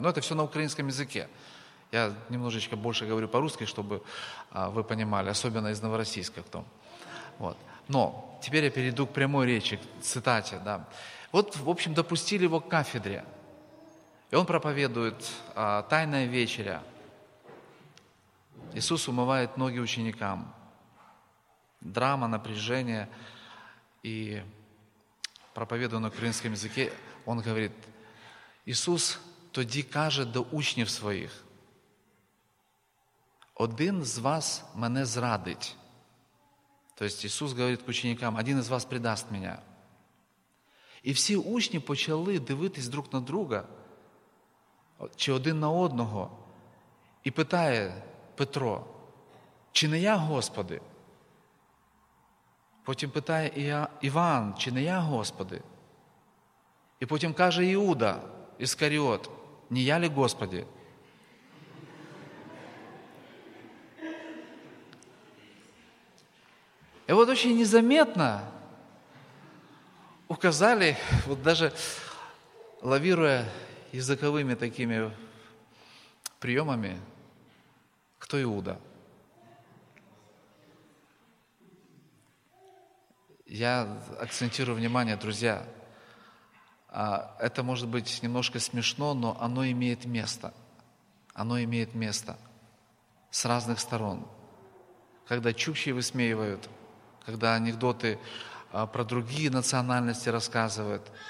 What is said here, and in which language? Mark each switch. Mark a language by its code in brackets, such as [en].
[ru] Но это все на украинском языке. Я немножечко больше говорю по-русски, чтобы вы понимали, особенно из Новороссийска кто. Вот. Но теперь я перейду к прямой речи, к цитате. Да. Вот, в общем, допустили его к кафедре. И он проповедует «Тайная вечеря». Иисус умывает ноги ученикам. Драма, напряжение. И проповедуя на украинском языке, он говорит: [uk] «Иисус тоді каже до учнів своїх, один з вас мене зрадить». [ru] То есть Иисус говорит к ученикам: «Один из вас предаст меня». [uk] И все учні почали дивитись друг на друга, чи один на одного, и питає Петро: «Чи не я, Господи?» Потім питає Іван: «Чи не я, Господи?» І потім каже Іуда Іскаріот: [ru] «Не я ли, Господи?» [uk] І от дуже [ru] незаметно указали, [uk] от навіть лавірує язиковими такими прийомами, хто Іуда. [ru] Я акцентирую внимание, друзья, это может быть немножко смешно, но оно имеет место. Оно имеет место с разных сторон. Когда чукчи высмеивают, когда анекдоты про другие национальности рассказывают.